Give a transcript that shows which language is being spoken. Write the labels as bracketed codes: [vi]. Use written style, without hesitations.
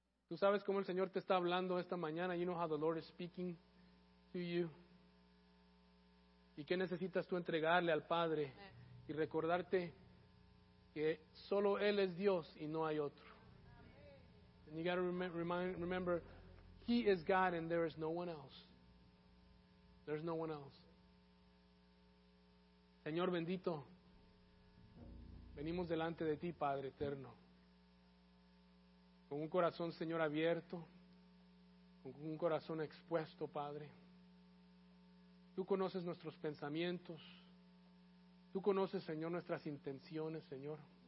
[es] Tú sabes cómo el Señor te está hablando esta mañana. [en] You know how the Lord is speaking to you. [es] ¿Y qué necesitas tú entregarle al Padre y recordarte que solo Él es Dios y no hay otro? [en] And you got to remember, He is God and there is no one else. There's no one else. [es] Señor bendito, venimos delante de Ti, Padre eterno, con un corazón, Señor, abierto, con un corazón expuesto, Padre. Tú conoces nuestros pensamientos. Tú conoces, Señor, nuestras intenciones, Señor.